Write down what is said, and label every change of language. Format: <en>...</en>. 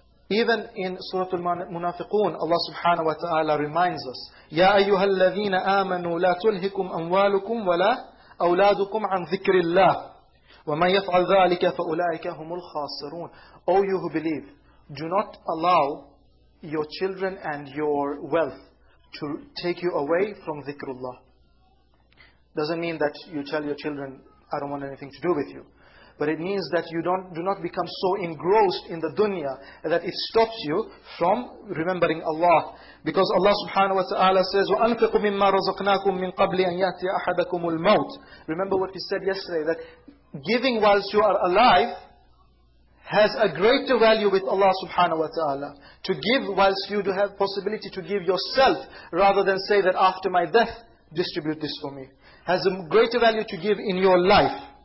<en>Even in Surah Al-Munafiqun, Allah subhanahu wa ta'ala reminds us,</en> <ar>يَا أَيُّهَا الَّذِينَ آمَنُوا لَا تُلْهِكُمْ أَمْوَالُكُمْ وَلَا أَوْلَادُكُمْ عَنْ ذِكْرِ اللَّهِ وَمَنْ يَفْعَلْ ذَٰلِكَ فَأُولَٰئِكَ هُمُ الْخَاسِرُونَ.</ar> <en>O you who believe, do not allow your children and your wealth to take you away from dhikrullah. Doesn't mean that you tell your children, I don't want anything to do with you. But it means that you do not become so engrossed in the dunya that it stops you from remembering Allah. Because Allah subhanahu wa ta'ala says,</en> <ar>وَأَنْفِقُ مِمَّا رَزَقْنَاكُمْ مِنْ قَبْلِ أَنْ يَأْتِيَ أَحَدَكُمُ الْمَوْتِ.</ar> <en>Remember what we said yesterday, that giving whilst you are alive has a greater value with Allah subhanahu wa ta'ala. To give whilst you do have possibility to give yourself, rather than say that after my death, distribute this for me, has a greater value to give in your life.</en>